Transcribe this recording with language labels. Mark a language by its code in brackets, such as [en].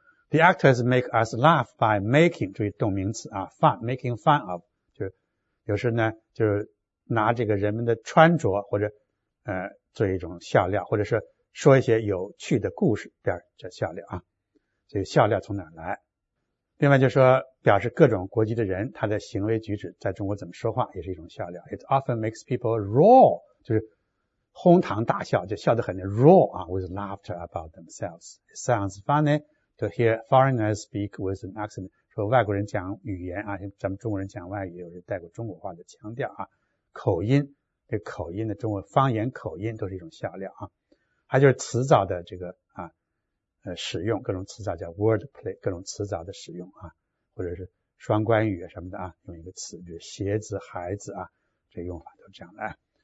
[en] The actors make us laugh by making, [zh] 注意动名词啊 , [en] fun, making fun of, [zh] 就有时呢就是拿这个人们的穿着或者做一种笑料，或者是说一些有趣的故事点叫笑料啊。所以笑料从哪来？另外就是说表示各种国籍的人他的行为举止在中国怎么说话也是一种笑料。 [en] It often makes people roar, [zh] 就是哄堂大笑，就笑得很 [en] roar 啊 with laughter about themselves. It sounds funny to hear foreigners speak with an accent. [zh] 说外国人讲语言啊，咱们中国人讲外语有时带过中国话的腔调啊，口音，这口音的中国方言口音都是一种笑料啊。还就是词藻的这个啊使用，各种词藻叫 wordplay, 各种词藻的使用啊，或者是双关语什么的啊，用一个词就是鞋子孩子啊，这用法都这样的啊。